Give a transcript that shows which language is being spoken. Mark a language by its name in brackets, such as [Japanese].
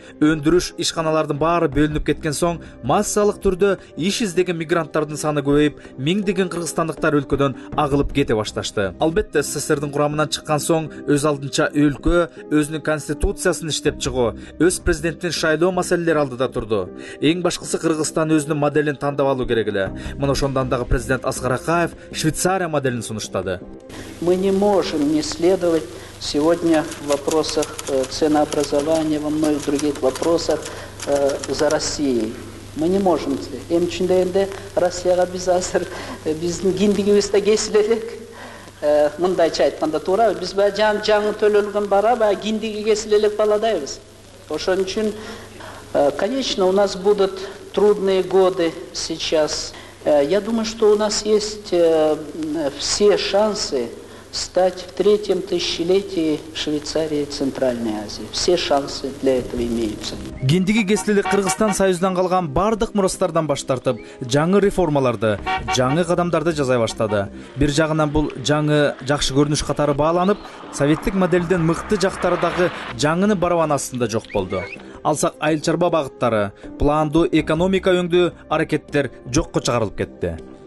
[Kyrgyz] Өндүрүш ишканалардын баары бөлүнүп кеткен соң, массалык түрдө иш издеген мигранттардын саны көбөйүп, миңдеген кыргызстандыктар өлкөдөн агылып кете башташты. Албетте, СССРдин курамынан чыккан соң, өз алдынча өлкө өзүнүн конституциясын иштеп чыгуу, өз президентин шайлоо маселелери алдыда турду. Эң башкысы Кыргызстан өзүнүн моделин тандап алуу керек эле. Мына ошондон дагы президент Аскар Акаев Швейцария моделин сунуштады. [Russian] Мы не можем не следовать сегодня в вопросах ценообразования, во многих других вопросах за Россией. Мы не можем. [Kyrgyz] Эми чындайында Россияга биз азыр биздин киндигибизде кесиле элек. Мындайча айтканда туурабы? Биз баягы жаңы төлөлгөн барабы, киндиги кесиле элек баладайбыз. Ошон үчүн [Russian] конечно, у нас будут трудные годы сейчас. Я думаю, что у нас есть все шансы стать в третьем тысячелетии Швейцарии и Центральной Азии. Все шансы для этого имеются. [Kyrgyz] Кендиги кесилели Кыргызстан союздан калган бардык мурастардан баш тартып, жаңы реформаларды, жаңы кадамдарды жасай баштады. Бир жагынан бул жаңы жакшы көрүнүш катары бааланып, советтик моделден мыкты жактары дагы жаңыны барабанасында жок болду. Алсак айыл чарба багыттары, пландуу экономика өңдүү аракеттер жокко чыгарылып кетти.